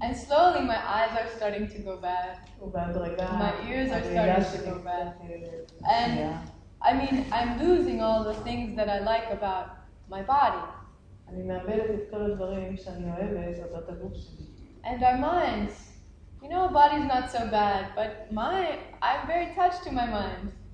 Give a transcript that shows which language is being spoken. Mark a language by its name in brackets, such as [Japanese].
[English] And slowly my eyes are starting to go bad. [Hebrew] ובהדרגה. [English] My ears are starting to go bad. And I mean, I'm losing all the things that I like about my body. [Hebrew] אני מאבדת את כל הדברים שאני אוהבת אודות הגוף שלי. [English] And our minds. You know, body's not so bad, but I'm very attached to my mind.